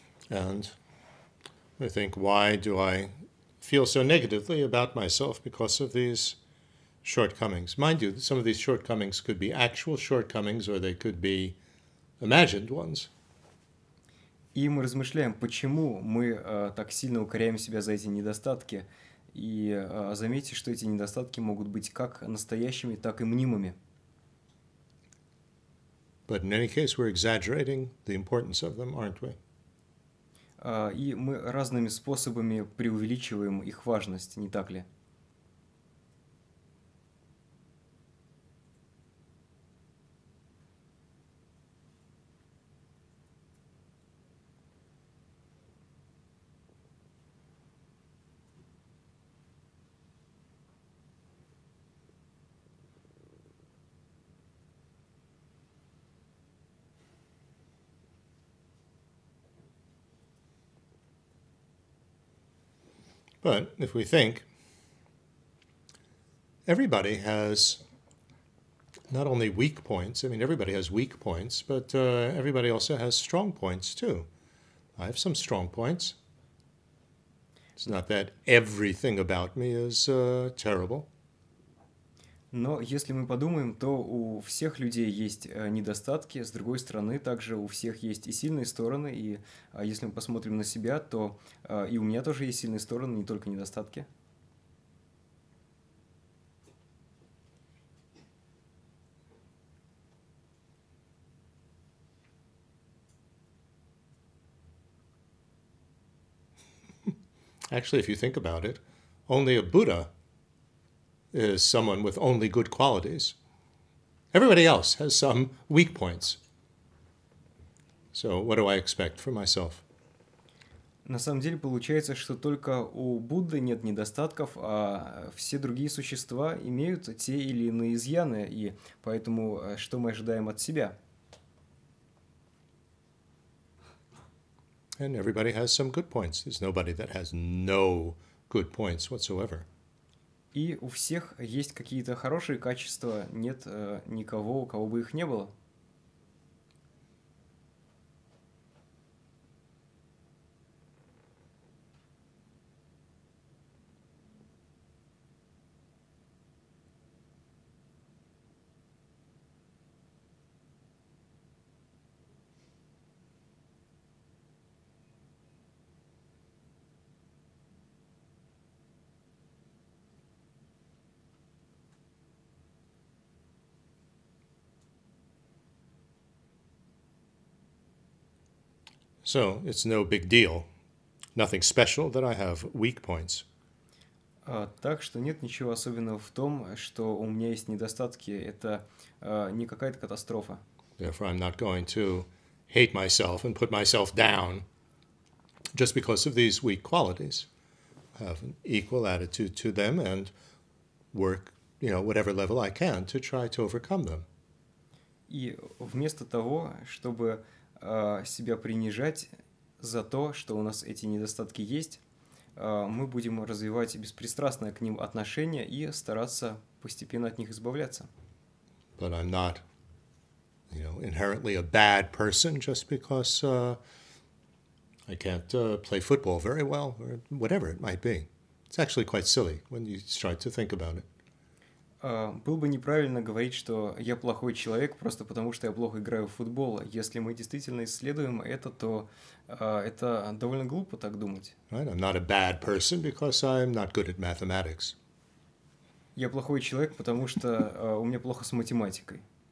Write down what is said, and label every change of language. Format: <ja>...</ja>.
<en>And I think, why do I feel so negatively about myself because of these shortcomings? Mind you, some of these shortcomings could be actual shortcomings, or they could be imagined ones.</en> <ru>И мы размышляем, почему мы так сильно укоряем себя за эти недостатки, и заметьте, что эти недостатки могут быть как настоящими, так и мнимыми.</ru> <en>But in any case, we're exaggerating the importance of them, aren't we?</en> <ru>И мы разными способами преувеличиваем их важность, не так ли?</ru> <en>But if we think, everybody has not only weak points, I mean, everybody has weak points, but everybody also has strong points, too. I have some strong points. It's not that everything about me is terrible.</en> <ru>Но если мы подумаем, то у всех людей есть недостатки, с другой стороны, также у всех есть и сильные стороны, и если мы посмотрим на себя, то и у меня тоже есть сильные стороны, не только недостатки.</ru> <en>Actually, if you think about it, only a Buddha is someone with only good qualities. Everybody else has some weak points. So what do I expect for myself?</en> <ru>На самом деле получается, что только у Будды нет недостатков, а все другие существа имеют те или иные изъяны, и поэтому что мы ожидаем от себя?</ru> <en>And everybody has some good points. There's nobody that has no good points whatsoever.</en> <ru>И у всех есть какие-то хорошие качества, нет никого, у кого бы их не было.</ru> <en>So it's no big deal. Nothing special that I have weak points.</en> <ru>Так что нет ничего особенного в том, что у меня есть недостатки. Это не какая-то катастрофа.</ru> <en>Therefore, I'm not going to hate myself and put myself down just because of these weak qualities. I have an equal attitude to them and work, you know, whatever level I can to try to overcome them.</en> <ru>И вместо того, чтобы себя принижать за то, что у нас эти недостатки есть, мы будем развивать беспристрастное к ним отношение и стараться постепенно от них избавляться.</ru> <en>But I'm not, you know, inherently a bad person just because I can't play football very well or whatever it might be. It's actually quite silly when you start to think about it.</en> <ru>Было бы неправильно говорить, что я плохой человек просто потому, что я плохо играю в футбол. Если мы действительно исследуем это, то это довольно глупо так думать.</ru> <en>Right, I'm not a bad person because I'm not good at mathematics.</en> <ru>Я плохой человек, потому что у меня плохо с математикой.</ru>